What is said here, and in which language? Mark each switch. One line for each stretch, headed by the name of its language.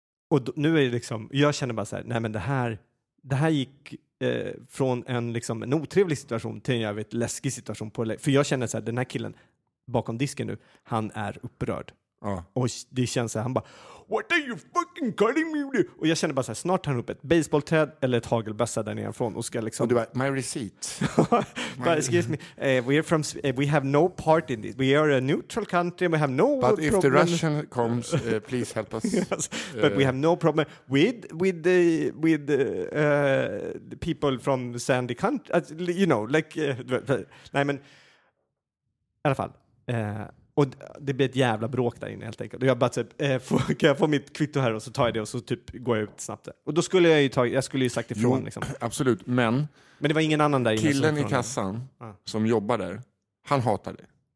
Swedish: Och då, nu är det liksom jag känner bara så här, nej men det här gick från en liksom en otrevlig situation till en jävligt läskig situation på för jag känner så här, den här killen bakom disken nu, han är upprörd. Ja. Och det känns så här, han bara
English: what are you fucking calling me with?
Swedish: Och jag känner bara så här, snart tar han upp ett baseballträd eller ett hagelbössa där nerifrån och ska liksom och du bara,
English: my receipt. But excuse me, we have no part in this. We are a neutral country. We have no but problem. But if the Russian comes, please help us. Yes, but we have no problem with the people from Sandy country. You know, like
Swedish: nej men i alla fall. Och det blir ett jävla bråk där inne helt enkelt. Och jag bara typ, kan jag få mitt kvitto här och så tar jag det och så typ går jag ut snabbt. Och då skulle jag ju sagt ifrån. Jo, liksom. Absolut, men... Men det var ingen annan där inne. Killen i kassan som jobbar där, han hatar det.